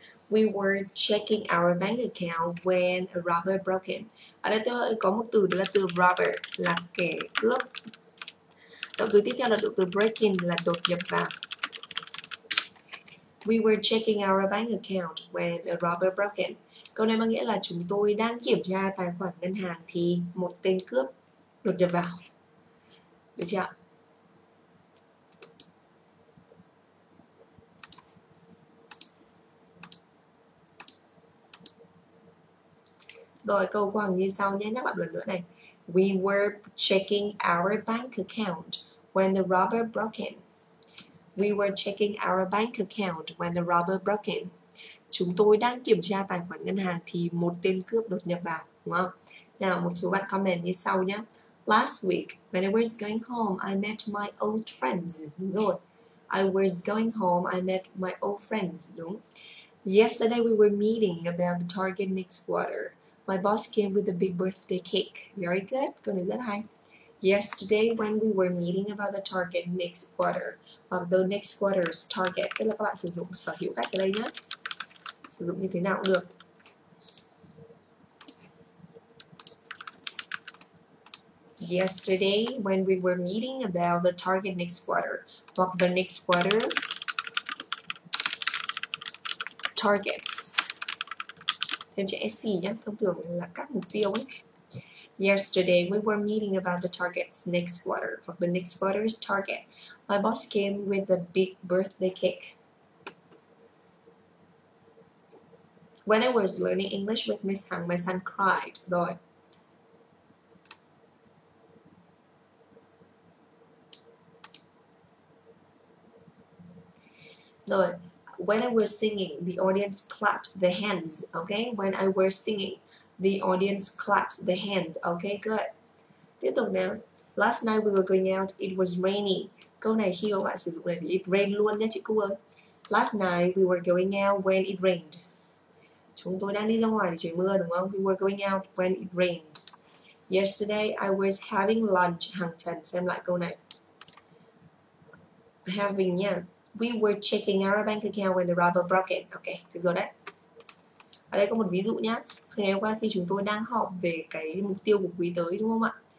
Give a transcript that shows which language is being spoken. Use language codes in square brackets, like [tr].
[en] We were checking our bank account when a robber broke in. [vi] Ở đây tôi có một từ, đó là từ robber, là kẻ cướp. Động từ tiếp theo là động từ break in, là đột nhập vào. [en] We were checking our bank account when the robber broke in. [vi] Câu này có nghĩa là chúng tôi đang kiểm tra tài khoản ngân hàng thì một tên cướp đột nhập vào. Được chưa ạ? Rồi câu quan như sau nhé, nhắc lại lần nữa này. [en] We were checking our bank account when the robber broke in. We were checking our bank account when the robber broke in. [vi] Chúng tôi đang kiểm tra tài khoản ngân hàng thì một tên cướp đột nhập vào, đúng không? Nào, một số bạn comment như sau nhé. [en] Last week, when I was going home, I met my old friends. [vi] Đúng rồi. [en] I was going home, I met my old friends. [vi] Đúng. [en] Yesterday, we were meeting about the target next quarter. My boss came with a big birthday cake. Very good. [vi] Câu này rất hay. [en] Yesterday, when we were meeting about the target next quarter, of the next quarter's target. [vi] Tức là các bạn sử dụng sở hữu cách ở đây nhé. Sử dụng như thế nào cũng được. [en] Yesterday, when we were meeting about the target next quarter, of the next quarter targets. [vi] Thêm chữ SC nhé, thông thường là các mục tiêu ấy. [en] Yesterday, we were meeting about the target's next quarter. For the next quarter's target, my boss came with a big birthday cake. When I was learning English with Miss Hằng, my son cried. [vi] Rồi. Rồi. [en] When I was singing, the audience clapped their hands. Okay? When I was singing, the audience claps the hand. Okay, good. [vi] Tiếp tục nào. [en] Last night we were going out. It was rainy. [vi] Câu này khi mà bạn sử dụng này, [en] it rained [vi] luôn nha chị cô ơi. [en] Last night we were going out when it rained. [vi] Chúng tôi đang đi ra ngoài trời mưa đúng không? [en] We were going out when it rained. Yesterday I was having lunch. Hàng Trần [vi] xem lại câu này. [en] Having [vi] nha. [en] We were checking our bank account when the robber broke it. [vi] Okay, được rồi đấy. Ở đây có một ví dụ nhá. Thì ngày hôm qua khi chúng tôi đang họp về cái mục tiêu của quý tới đúng không ạ?